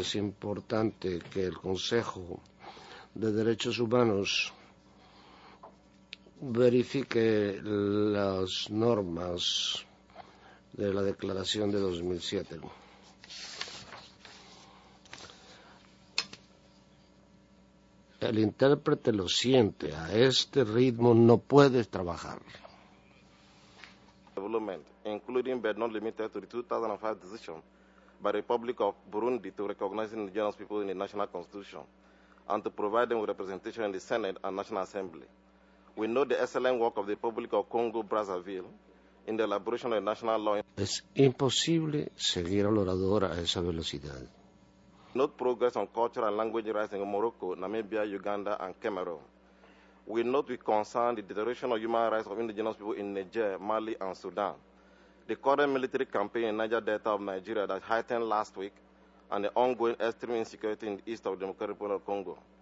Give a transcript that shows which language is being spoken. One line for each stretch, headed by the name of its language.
Spanish: Es importante que el Consejo de Derechos Humanos verifique las normas de la declaración de 2007. El intérprete lo siente, a este ritmo no puedes trabajar.
English: Development, including but not limited to the 2005 decision by the Republic of Burundi to recognize indigenous people in the national constitution and to provide them with representation in the Senate and National Assembly. We know the excellent work of the Republic of Congo Brazzaville in the elaboration of the national law.
Spanish: Es imposible seguir al orador a esa velocidad.
English: Note progress on culture and language rights in Morocco, Namibia, Uganda, and Cameroon. We note with concern the deterioration of human rights of indigenous people in Niger, Mali, and Sudan. The current military campaign in Niger Delta of Nigeria that heightened last week, and the ongoing extreme insecurity in the east of the Democratic Republic of Congo.